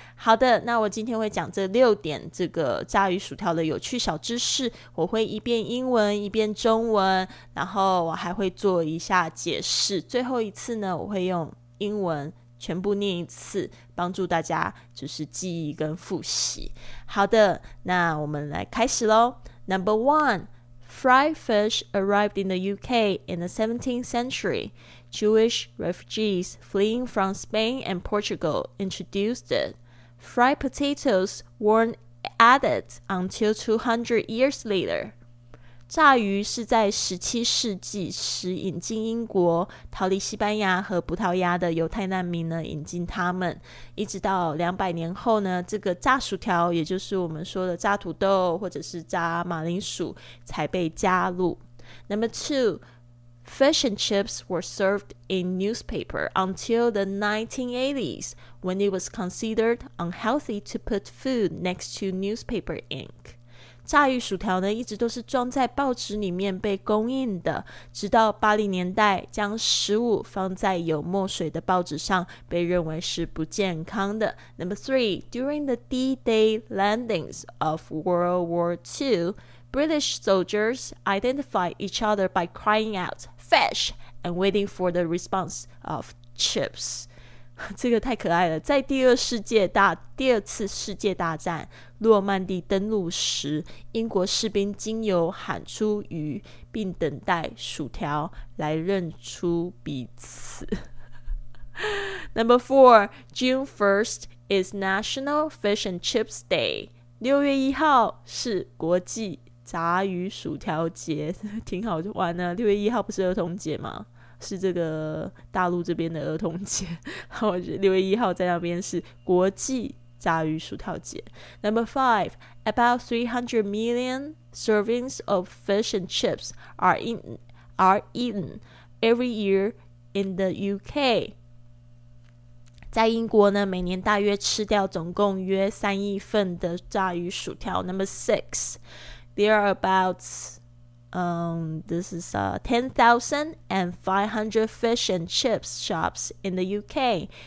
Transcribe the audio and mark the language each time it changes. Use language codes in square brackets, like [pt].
[zh] 好的，那我今天会讲这六点这个炸鱼薯条的有趣小知识，我会一遍英文一遍中文，然后我还会做一下解释，最后一次呢我会用英文全部念一次，帮助大家就是记忆跟复习。好的，那我们来开始咯。 [en] Number one, fried fish arrived in the UK in the 17th century. Jewish refugees fleeing from Spain and Portugal introduced it. Fried potatoes weren't added until 200 years later. [zh] 炸鱼是在17世纪时引进英国，逃离西班牙和葡萄牙的犹太难民呢引进他们，一直到200年后呢，这个炸薯条，也就是我们说的炸土豆或者是炸马铃薯，才被加入。 [en] Number two, fish and chips were served in newspaper until the 1980s when it was considered unhealthy to put food next to newspaper ink. [zh] 炸鱼薯条呢一直都是装在报纸里面被供应的，直到80年代将食物放在有墨水的报纸上被认为是不健康的。 [en] Number three, during the D-Day landings of World War II, British soldiers identified each other by crying out fish and waiting for the response of chips. [zh] 这个太可爱了，在第二次世界大战诺曼底登陆时，英国士兵经由喊出鱼并等待薯条来认出彼此。 [en] Number four, June 1st is National Fish and Chips Day. [zh] 6月1号是国际炸鱼薯条节，挺好玩的。 6月1号不是儿童节吗？是这个大陆这边的儿童节，我觉得6月1号在那边是国际炸鱼薯条节。 [en] Number five, about 300 million servings of fish and chips are eaten every year in the UK. [zh] 在英国呢，每年大约吃掉总共约三亿份的炸鱼薯条。 [en] Number six, there are about 10,500 fish and chips shops in the UK.